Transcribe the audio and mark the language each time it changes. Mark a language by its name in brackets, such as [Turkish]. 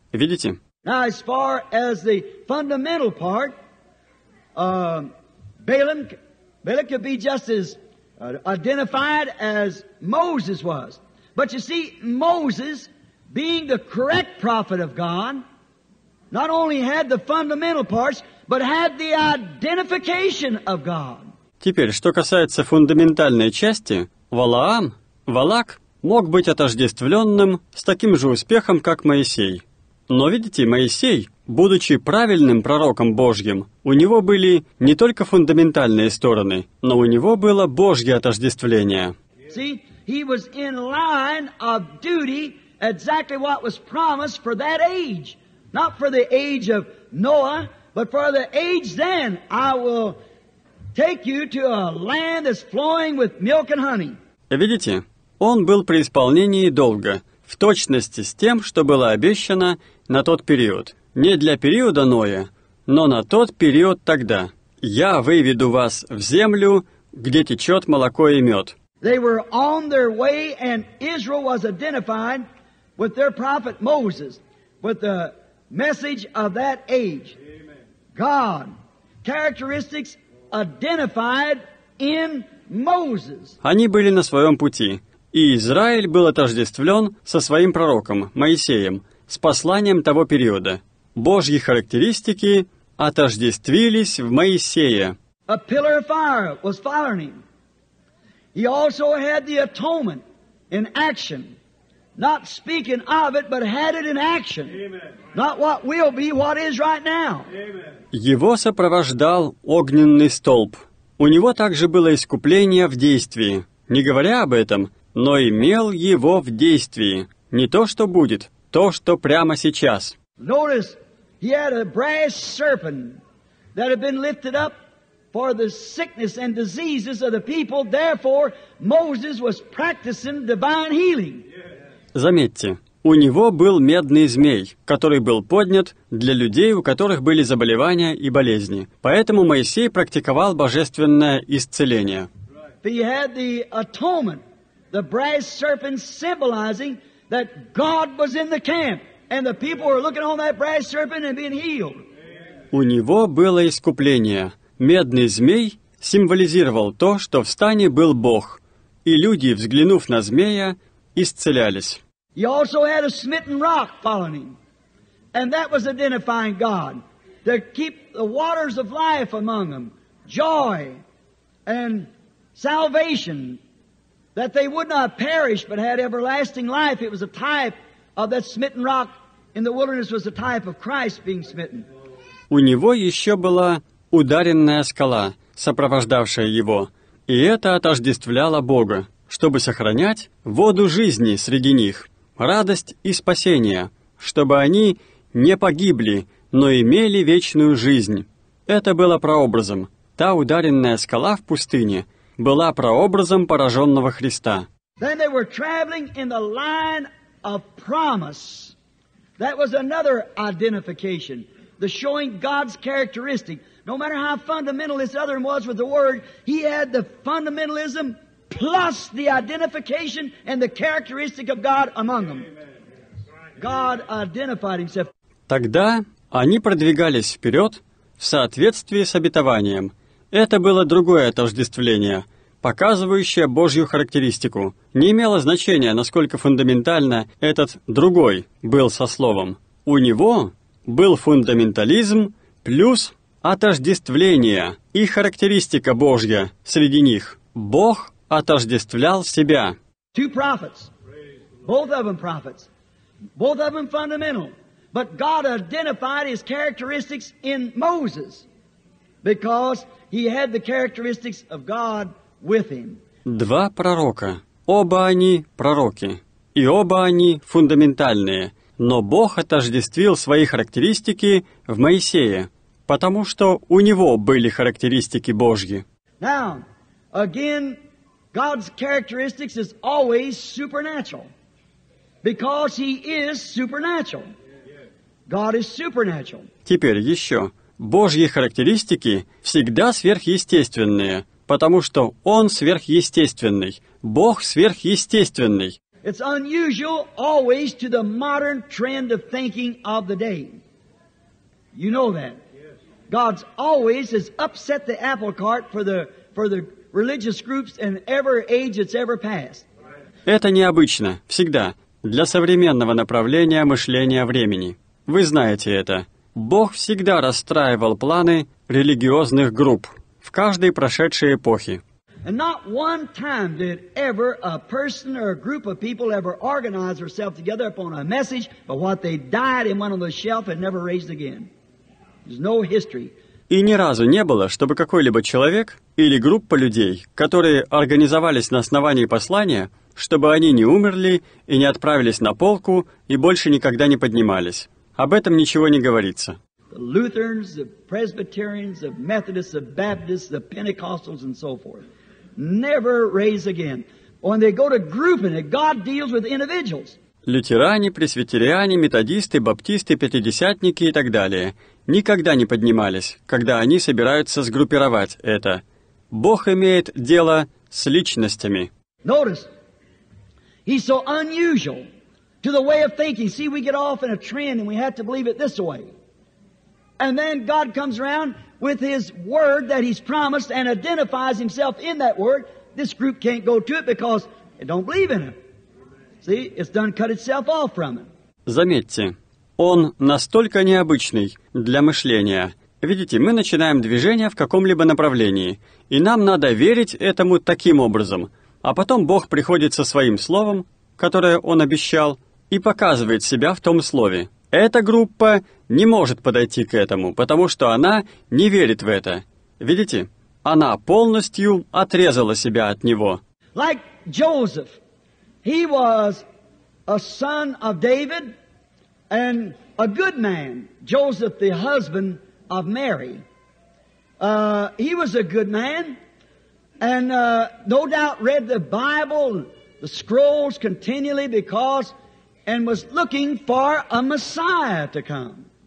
[Russian] Видите? [English] Now, as far as the fundamental part, Balaam could be just as identified as Moses was. But you see, Moses, being the correct prophet of God, not only had the fundamental parts, but had the identification of God. [Russian] Теперь, что касается фундаментальной части, Валаам, Валак, мог быть отождествленным с таким же успехом, как Моисей. Но видите, Моисей, будучи правильным пророком Божьим, у него были не только фундаментальные стороны, но у него было Божье отождествление. [English] See, he was in line of duty, exactly what was promised for that age. Not for the age of Noah, but for the age then, I will take you to a land that's flowing with milk and honey. [Russian] Видите, он был при исполнении долга, в точности с тем, что было обещано на тот период. Не для периода Ноя, но на тот период тогда. Я выведу вас в землю, где течет молоко и мед. [English] They were on their way, and Israel was identified with their prophet Moses, with the message of that age. God, characteristics identified in Moses. [Russian] Они были на своем пути, и Израиль был отождествлен со своим пророком, Моисеем, с посланием того периода. Божьи характеристики отождествились в Моисее. [English] A pillar of fire was following him. He also had the atonement in action. Not speaking of it, but had it in action. Not what will be, what is right now. [Russian] Его сопровождал огненный столб. У него также было искупление в действии. Не говоря об этом, но имел его в действии. Не то, что будет, то, что прямо сейчас. [English] Notice, he had a brass serpent that had been lifted up for the sickness and diseases of the people. Therefore, Moses was practicing divine healing. [Russian] Заметьте, у него был медный змей, который был поднят для людей, у которых были заболевания и болезни. Поэтому Моисей практиковал божественное исцеление. [English] He had the atonement, the brass serpent symbolizing that God was in the camp, and the people were looking on that brass serpent and being healed. [Russian] У него было искупление. Медный змей символизировал то, что в стане был Бог, и люди, взглянув на змея, исцелялись. [English] He also had a smitten rock following him, and that was identifying God to keep the waters of life among them, joy and salvation, that they would not perish but had everlasting life. It was a type of that smitten rock in the wilderness, was a type of Christ being smitten. [Russian] У него еще была ударенная скала, сопровождавшая его, и это отождествляло Бога, чтобы сохранять воду жизни среди них, радость и спасение, чтобы они не погибли, но имели вечную жизнь. Это было прообразом. Та ударенная скала в пустыне была прообразом пораженного Христа. [English] Then they were traveling in the line of promise. That was another identification. the showing God's characteristic. No matter how fundamental this other one was with the Word, he had the fundamentalism plus the identification and the characteristic of God among them. God identified himself. [Russian] Тогда они продвигались вперед в соответствии с обетованием. Это было другое отождествление, показывающее Божью характеристику. Не имело значения, насколько фундаментально этот «другой» был со словом. У него был фундаментализм плюс отождествление и характеристика Божья среди них. Бог отождествлял себя. [English] Two prophets. Both of them prophets. Both of them fundamental. But God identified his characteristics in Moses because he had the characteristics of God with him. [Russian] Два пророка. Оба они пророки. И оба они фундаментальные. Но Бог отождествил свои характеристики в Моисее, потому что у него были характеристики Божьи. [English] Now, again, God's characteristics is always supernatural because he is supernatural. God is supernatural. [Russian] Теперь еще. Божьи характеристики всегда сверхъестественные, потому что Он сверхъестественный. Бог сверхъестественный. [English] It's unusual always to the modern trend of thinking of the day. You know that. God's always has upset the apple cart for the religious groups in every age that's ever passed. [Russian] Это необычно, всегда, для современного направления мышления времени. Вы знаете это. Бог всегда расстраивал планы религиозных групп в каждой прошедшей эпохе. [English] And not one time did ever a person or a group of people ever organize herself together upon a message, but what they died and went on the shelf and never raised again. There's no history. [Russian] И ни разу не было, чтобы какой-либо человек или группа людей, которые организовались на основании послания, чтобы они не умерли и не отправились на полку и больше никогда не поднимались. Об этом ничего не говорится. [English] The Lutherans, the Presbyterians, the Methodists, the Baptists, the Pentecostals, and so forth. Never raise again. When they go to grouping it, God deals with individuals. [Russian] Лютеране, пресвитериане, методисты, баптисты, пятидесятники и так далее никогда не поднимались, когда они собираются сгруппировать это. Бог имеет дело с личностями. [English] Notice, he's so unusual to the way of thinking. See, we get off in a trend and we have to believe it this way. And then God comes around with his word that he's promised and identifies himself in that word. This group can't go to it because it don't believe in it. See, it's done cut itself off from it. [Russian] Заметьте, он настолько необычный для мышления. Видите, мы начинаем движение в каком-либо направлении, и нам надо верить этому таким образом. А потом Бог приходит со своим словом, которое он обещал, и показывает себя в том слове. Эта группа не может подойти к этому, потому что она не верит в это. Видите? Она полностью отрезала себя от него. [English] Like Joseph, he was a son of David and a good man. Joseph, the husband of Mary. He was a good man and no doubt read the Bible, the scrolls continually because and was looking for a Messiah to come.